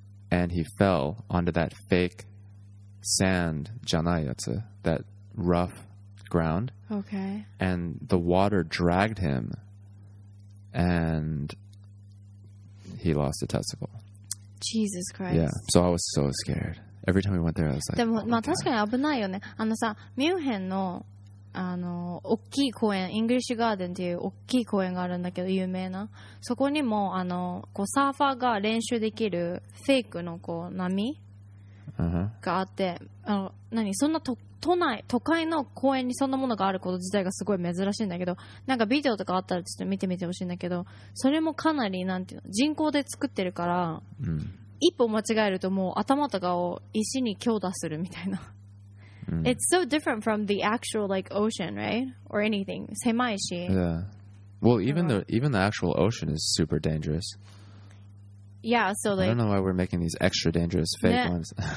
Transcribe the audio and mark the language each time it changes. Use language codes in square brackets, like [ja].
[en] And he fell onto that fake sand, janayatsu, that rough ground. Okay. And the water dragged him, and he lost a testicle. Jesus Christ. Yeah, so I was so scared. Every time we went there, I was like, [ja] でも、まあ確かに危ないよね。あのさ、ミュンヘンの、あの、大きい公園、イングリッシュガーデンっていう大きい公園があるんだけど、有名な。そこにも、あの、こう、サーファーが練習できるフェイクのこう、波があって、あの、何、そんな都会の公園にそんなものがあること自体がすごい珍しいんだけど、なんかビデオとかあったらちょっと見てみてほしいんだけど、それもかなり、なんていうの、人工で作ってるから、一歩間違えるともう頭とかを石に強打するみたいな。 [en] It's so different from the actual like ocean, right? Or anything. [ja] 狭いし. [en] Yeah. Well, even the actual ocean is super dangerous. Yeah, so like I don't know why we're making these extra dangerous fake ones.